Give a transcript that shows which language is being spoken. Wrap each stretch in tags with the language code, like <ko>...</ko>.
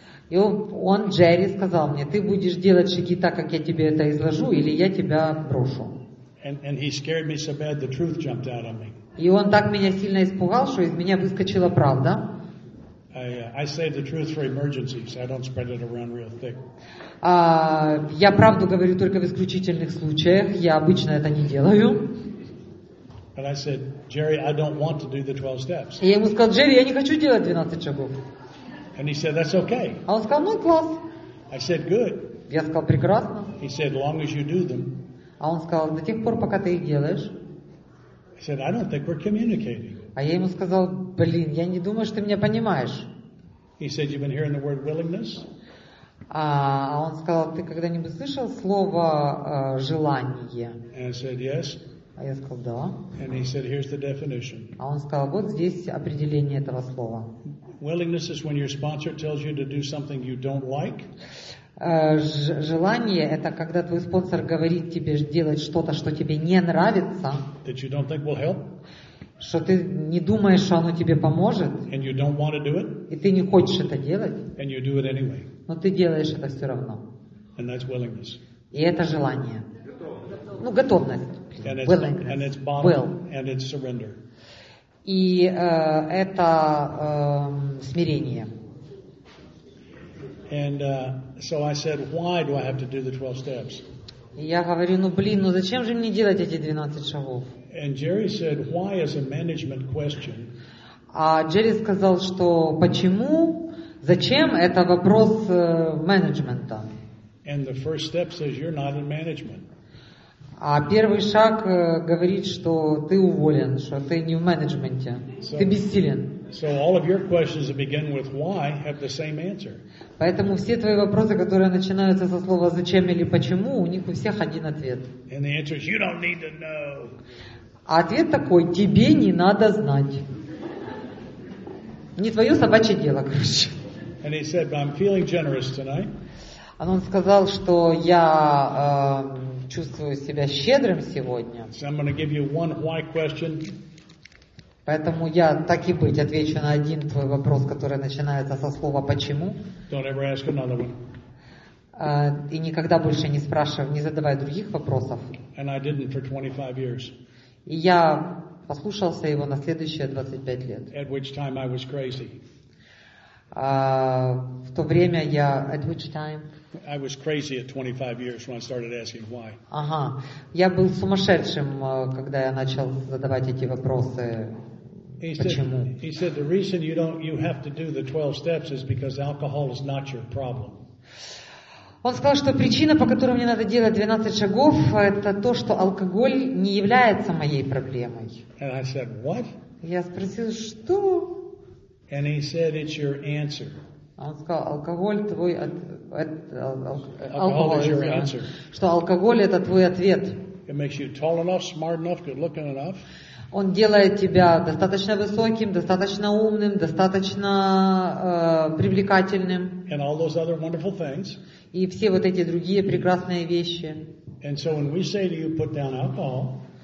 <ru>И он, Джерри, сказал мне, ты будешь делать шаги так, как я тебе это изложу, или я тебя брошу.</ru> <en>And he scared me so bad, the truth jumped out on me.</en> <ru>И он так меня сильно испугал, что из меня выскочила правда.</ru> <en>I save the truth for emergencies. I don't spread it around real thick.</en> <ru>Я правду говорю только в исключительных случаях. Я обычно это не делаю.</ru> <en>But I said, Jerry, I don't want to do the 12 steps.</en> <ru>Я ему сказал, Джерри, я не хочу делать 12 шагов.</ru> <en>And he said, that's okay.</en> <ru>А он сказал, ну класс.</ru> <en>I said, good.</en> <ru>Я сказал, прекрасно.</ru> <en>He said, long as you do them.</en> <ru>А он сказал, до тех пор, пока ты их делаешь.</ru> <en>I said, I don't think we're communicating.</en> <ru>А я ему сказал, блин, я не думаю, что ты меня понимаешь.</ru> <en>He said, you've been hearing the word willingness?</en> <ru>А он сказал, ты когда-нибудь слышал слово желание?</ru> <en>And I said, yes.</en> <ru>А я сказал, да.</ru> <en>And he said, here's the definition.</en> <ru>А он сказал, вот здесь определение этого слова.</ru> <en>Willingness is when your sponsor tells you to do something you don't like.</en> <ru>Желание это когда твой спонсор говорит тебе делать что-то, что тебе не нравится.</ru> <en>That you don't think will help.</en> <ru>Что ты не думаешь, что оно тебе поможет.</ru> <en>And you don't want to do it.</en> <ru>И ты не хочешь это делать.</ru> <en>And you do it anyway.</en> <ru>Но ты делаешь это все равно.</ru> <en>And that's willingness.</en> <ru>И это желание. Готовность. Ну, готовность.</ru> <en>And it's, willingness. And it's bottom. Will. And it's surrender.</en> <ru>И это смирение.</ru> <en>And so I said, why do I have to do the 12 steps?</en> <ru>Я говорю, ну блин, ну зачем же мне делать эти 12 шагов?</ru> <en>And Jerry said, why is a management question?</en> <ru>А Джерри сказал, что почему, зачем, это вопрос менеджмента.</ru> <en>And the first step says, you're not in management.</en> <ru>А первый шаг говорит, что ты уволен, что ты не в менеджменте, so, ты бессилен.</ru> <en>So all of your questions that begin with why have the same answer.</en> <ru>Поэтому все твои вопросы, которые начинаются со слова «зачем» или «почему», у них у всех один ответ.</ru> <en>And the answer is, you don't need to know.</en> <ru>А ответ такой – тебе не надо знать. Не твое собачье дело, короче.</ru> <en>And he said, I'm feeling generous tonight.</en> <ru>Он сказал, что я чувствую себя щедрым сегодня.</ru> <en>So I'm going to give you one why question.</en> <ru>Поэтому я, так и быть, отвечу на один твой вопрос, который начинается со слова «почему».</ru> <en>Don't ever ask another one.</en> <ru>И никогда больше не спрашивай, не задавай других вопросов.</ru> <en>And I didn't for 25 years.</en> <ru>И я послушался его на следующие 25 лет.</ru> <en>At which time I was crazy.</en> <ru>В то время я...</ru> <en>At which time? I was crazy at 25 years when I started asking why.</en> <ru>Ага. Я был сумасшедшим, когда я начал задавать эти вопросы. Почему?</ru> <en>He said, the reason you have to do the 12 steps is because alcohol is not your problem.</en> <ru>Он сказал, что причина, по которой мне надо делать 12 шагов, это то, что алкоголь не является моей проблемой.</ru> <en>And I said, what?</en> <ru>Я спросил, что?</ru> <en>And he said, it's your answer.</en> <ru>Он сказал, алкоголь твой ответ.</ru> <en>Alcohol is your answer.</en> <ru>Что алкоголь это твой ответ.</ru> <en>It makes you tall enough, smart enough, good-looking enough.</en> <ru>Он делает тебя достаточно высоким, достаточно умным, достаточно привлекательным.</ru> <en>And all those other wonderful things.</en> <ru>И все вот эти другие прекрасные вещи.</ru> <en>And so when we say to you, put down alcohol,</en>